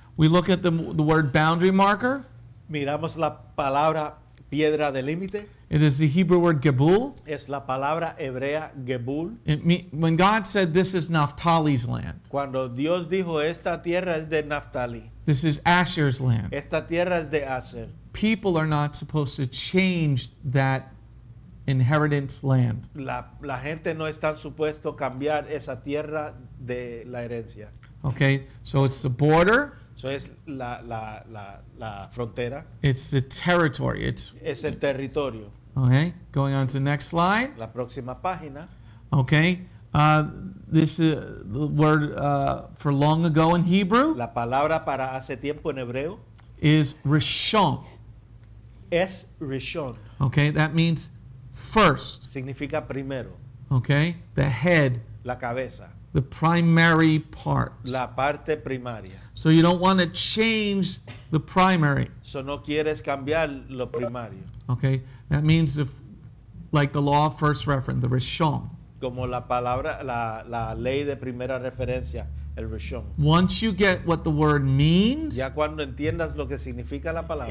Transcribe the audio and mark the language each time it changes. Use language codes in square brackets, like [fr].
[en] We look at the word boundary marker. [es] Miramos la palabra piedra del límite. [en] It is the Hebrew word gebul. [es] Es la palabra hebrea gebul. [en] When God said this is Naphtali's land. [es] Cuando Dios dijo esta tierra es de Naphtali. [en] This is Asher's land. [es] Esta tierra es de Asher. [en] People are not supposed to change that inheritance land. [es] La gente no está supuesto cambiar esa tierra de la herencia. [en] Okay, so it's the border. [es] So es la frontera. [en] It's the territory. [es] Es el territorio. [en] Okay, going on to the next slide. [es] La próxima página. [en] Okay. This is the word for long ago in Hebrew. [es] La palabra para hace tiempo en hebreo [en] is rishon. [es] Es rishon. [en] Okay, that means first. [es] Significa primero. [en] Okay, the head. [es] La cabeza. [en] The primary part. [es] La parte primaria. [en] So you don't want to change the primary. [es] So no quieres cambiar lo primario. [en] Okay, that means like the law of first reference, the rishon. [es] Como la palabra, la ley de primera referencia, el rishon. [en] Once you get what the word means, [es] ya cuando entiendas lo que significa la palabra,